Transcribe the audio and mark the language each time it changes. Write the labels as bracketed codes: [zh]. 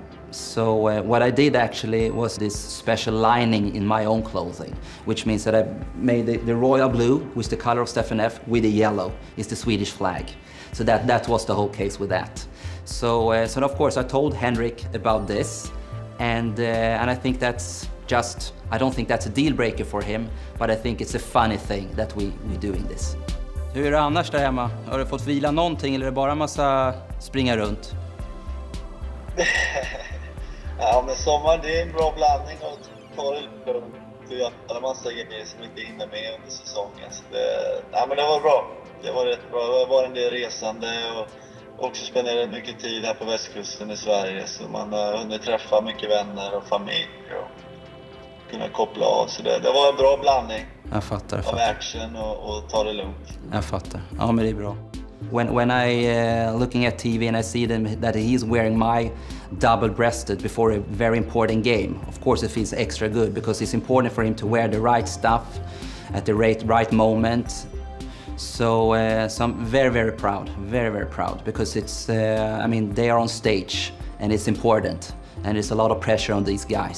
[en] So what I did actually was this special lining in my own clothing, which means that I made the royal blue, which is the color of Stefan F, with the yellow. It's the Swedish flag. So that was the whole case with that. So of course I told Henrik about this, and I think that's just, I don't think that's a deal breaker for him, but I think it's a funny thing that we're doing this. [sv] Hur är det annars där hemma? Har du fått vila någonting, eller är det bara massa springa runt? Ja, men sommar, det är en bra blandning och ta det lugnt. Du gör alla massa grejer som inte hinner med under säsongen. Så det var bra. Det var rätt bra. Det var en del resande och också spenderat mycket tid här på västkusten i Sverige. Så man har hunnit träffa mycket vänner och familj och kunna koppla av. Så det var en bra blandning. Jag fattar. Jag fattar. Av action och ta det lugnt. Jag fattar. Ja, men det är bra. [en] When I looking at TV and I see them, that he's wearing my double-breasted before a very important game, of course it feels extra good, because it's important for him to wear the right stuff at the right moment. So I'm very, very proud, very, very proud, because it's, they are on stage and it's important, and it's a lot of pressure on these guys.